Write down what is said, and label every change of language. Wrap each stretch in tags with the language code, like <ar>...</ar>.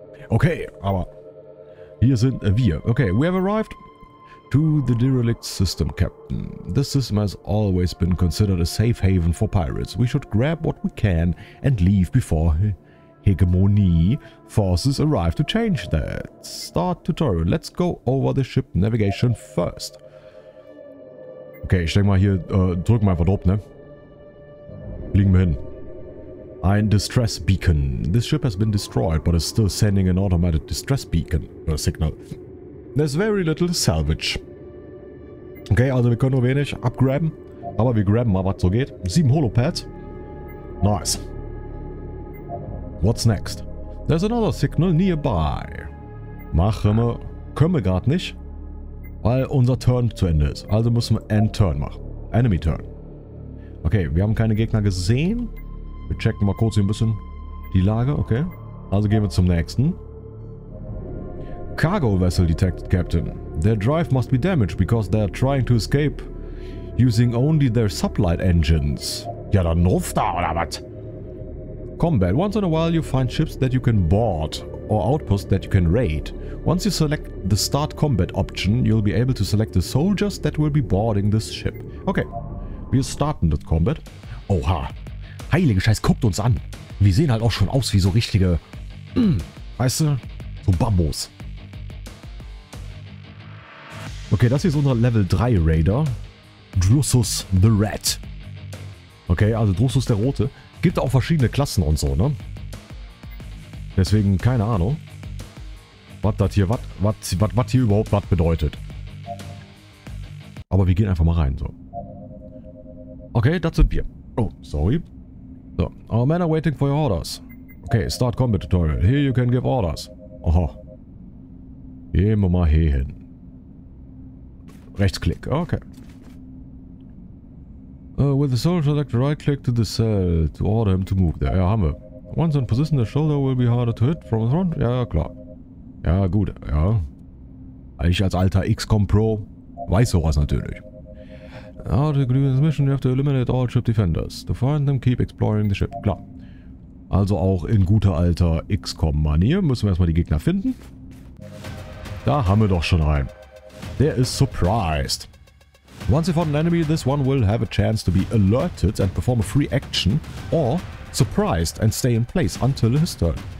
<de>Okay, aber hier sind wir.</de> <en>Okay, we have arrived. To the derelict system, Captain. This system has always been considered a safe haven for pirates. We should grab what we can and leave before hegemony forces arrive to change that. Start tutorial. Let's go over the ship navigation first.</en> <de>Okay, ich denke mal hier, drück mal einfach drauf, ne? Fliegen wir hin. Ein Distress Beacon.</de> <en>This ship has been destroyed, but is still sending an automatic distress beacon.</en> <de>Signal.</de> <en>There's very little salvage.</en> <de>Okay, also wir können nur wenig upgraben. Aber wir graben mal, was so geht. 7 Holopads. Nice.</de> <en>What's next? There's another signal nearby.</en> <de>Machen wir. Können wir gerade nicht. Weil unser Turn zu Ende ist. Also müssen wir End Turn machen. Enemy Turn. Okay, wir haben keine Gegner gesehen. Wir checken mal kurz hier ein bisschen die Lage. Okay. Also gehen wir zum nächsten.</de> <en>Cargo vessel detected, Captain. Their drive must be damaged because they are trying to escape using only their sublight engines.</en> <de>Ja, dann ruft da oder was?</de> <en>Combat. Once in a while you find ships that you can board or outpost that you can raid. Once you select the start combat option, you'll be able to select the soldiers that will be boarding this ship.</en> <de>Okay, wir starten das Combat. Oha, heilige Scheiß, guckt uns an. Wir sehen halt auch schon aus wie so richtige, weißt du, so Bambos. Okay, das hier ist unser Level 3 Raider. Drusus the Red. Okay, also Drusus der Rote. Gibt auch verschiedene Klassen und so, ne? Deswegen, keine Ahnung. Was das hier, was hier überhaupt was bedeutet. Aber wir gehen einfach mal rein, so. Okay, das sind wir. Oh, sorry.</de> <en>So, our men are waiting for your orders. Okay, start combat tutorial. Here you can give orders.</en> <de>Aha. Gehen wir mal hier hin. Rechtsklick, okay.</de> <en>With the soldier select, right click to the cell to order him to move there.</en> <de>Ja, haben wir.</de> <en>Once in position, the shoulder will be harder to hit from the front.</en> <de>Ja, klar. Ja, gut, ja. Ich als alter XCOM Pro weiß sowas natürlich.</de> <en>Now to complete this mission, you have to eliminate all ship defenders. To find them, keep exploring the ship. Klar.</en> <de>Also auch in guter alter XCOM Manier müssen wir erstmal die Gegner finden. Da haben wir doch schon einen. Der ist surprised.</de> <en>Once you find an enemy, this one will have a chance to be alerted and perform a free action or surprised and stay in place until his turn.</en>